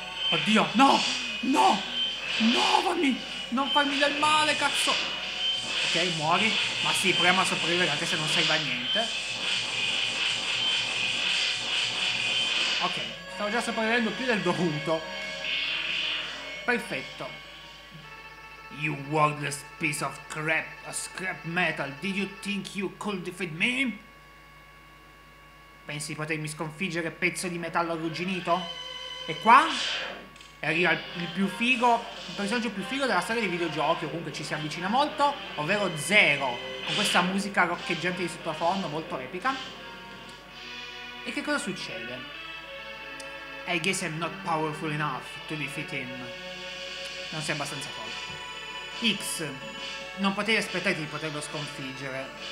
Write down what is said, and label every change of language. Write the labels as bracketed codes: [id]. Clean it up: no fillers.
[it] Oddio, no, no, no, mamma, non farmi del male, cazzo. Ok, muori, ma sì, proviamo a sopravvivere anche se non serve a niente. Ok, stavo già sopravvivendo più del dovuto. Perfetto. [en] You worthless piece of crap, a scrap metal, did you think you could defeat me? [it] Pensi di potermi sconfiggere, pezzo di metallo arrugginito? E qua arriva il personaggio più figo della storia dei videogiochi, o comunque ci si avvicina molto, ovvero Zero, con questa musica roccheggiante di sottofondo, molto epica. E che cosa succede? [en] I guess I'm not powerful enough to defeat him. [it] Non sei abbastanza forte. X, non potevi aspettarti di poterlo sconfiggere.